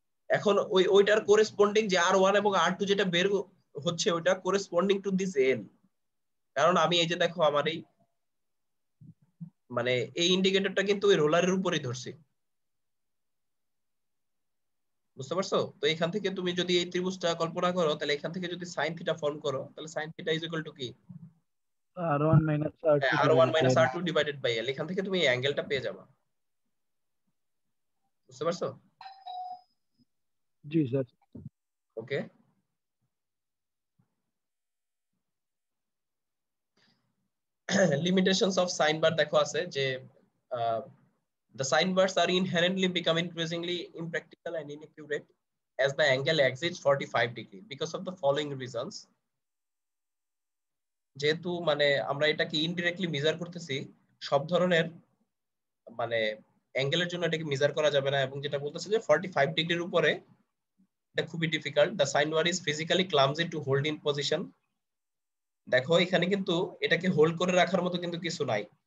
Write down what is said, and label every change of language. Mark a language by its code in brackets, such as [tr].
[bn] এখন ওই ওইটার করেসপন্ডিং যে আর ওয়ান এবং আর টু যেটা বের হচ্ছে, ওইটা করেসপন্ডিং টু দিস এল, কারণ আমি এই যে দেখো আমার এই মানে এই ইন্ডিকেটরটা কিন্তু ওই রোলারের উপরেই ধরছি, বুঝতে পারছো? তো এখান থেকে তুমি যদি এই ত্রিভুজটা কল্পনা করো, তাহলে এখান থেকে যদি সাইন থিটা ফর্ম করো, তাহলে sine theta is equal to কি? আর one minus আর two, আর one minus আর two divided by এল, এখান থেকে তুমি এই অ্যাঙ্গেলটা পেয়ে যাবা, বুঝতে পারছো? জি sir. [en] okay limitations of sine bar [bn] দেখো আছে যে [en] the sine bars are inherently become increasingly impractical and inaccurate as the angle exceeds 45 degree because of the following reasons। [bn] যেহেতু মানে আমরা এটাকে ইনডিরেক্টলি মেজার করতেছি, সব ধরনের মানে অ্যাঙ্গেলের জন্য এটাকে মেজার করা যাবে না, এবং যেটা বলতেছে যে 45 ডিগ্রির উপরে এটা খুবই difficult. [en] the sine bar is physically clumsy to hold in position, [bn] দেখো এখানে কিন্তু এটাকে হোল্ড করে রাখার মতো কিন্তু কিছু নাই।